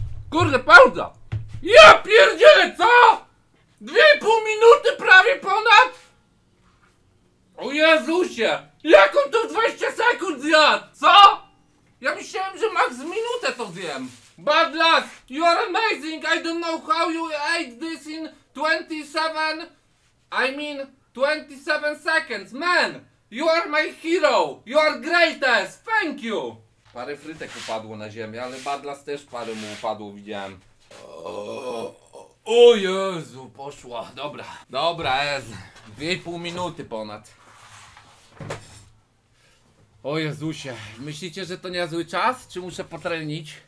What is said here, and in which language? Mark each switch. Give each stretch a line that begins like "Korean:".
Polish: Kurde, pauza! Ja pierdzielę, co?! 2,5 minuty prawie ponad?! O Jezusie! Jak on to w 20 sekund zjadł?! Co?! Ja myślałem, że max minutę to zjem!
English: Bad luck! You are amazing! I don't know how you ate this in 27... I mean 27 seconds! Man! You are my hero! You are greatest! Thank you!
Polish: Parę frytek upadło na ziemię, ale Badlas też parę mu upadło, widziałem. O Jezu, poszła. Dobra, dobra, jest. 2,5 minuty ponad. O Jezusie, myślicie, że to niezły czas? Czy muszę potrenić?